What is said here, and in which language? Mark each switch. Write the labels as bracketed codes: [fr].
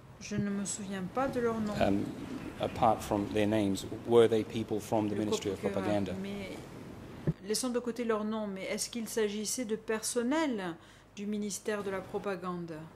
[fr] Je ne me souviens pas de leur nom. [en] Apart from their names, were they people from the Ministry of Propaganda? [fr] Laissons de côté leur nom, mais est-ce qu'il s'agissait de personnel du ministère de la propagande?